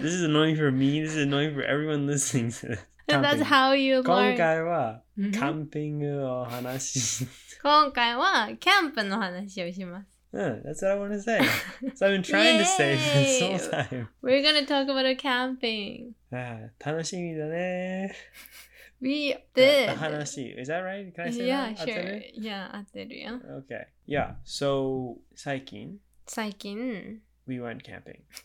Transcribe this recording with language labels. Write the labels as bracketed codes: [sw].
[en] This is annoying for everyone listening to this. That's how you learn. [ja] 今回はキャンピングの話。今回はキャンプの話をします。 [en] That's what I want to say. So I've been trying to say this whole time. We're gonna talk about a camping. [ja] 楽しみだね。 [en] We did. The 話。Is that right? Can I say yeah, that? Yeah, sure. Yeah, [ja] 合ってるよ。 [en] Okay. Yeah, so [ja] 最近 [en] we went camping.